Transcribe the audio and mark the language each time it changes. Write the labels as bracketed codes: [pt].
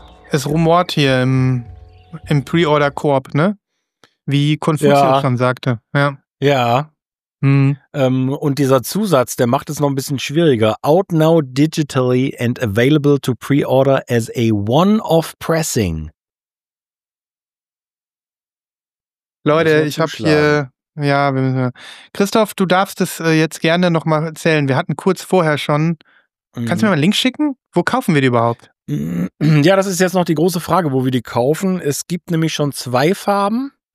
[de] Es rumort hier im Pre-Order-Korb, ne? Wie Konfuzius ja. schon sagte. Ja. Ja. Und dieser Zusatz, der macht es noch ein bisschen schwieriger. [en] Out now digitally and available to pre-order as a one-off pressing. [de] Leute, ich habe hier, ja, Christoph, du darfst es jetzt gerne nochmal erzählen. Wir hatten kurz vorher schon, kannst du mir mal einen Link schicken? Wo kaufen wir die überhaupt? Ja, das ist jetzt noch die große Frage, wo wir die kaufen. Es gibt nämlich schon zwei Farben.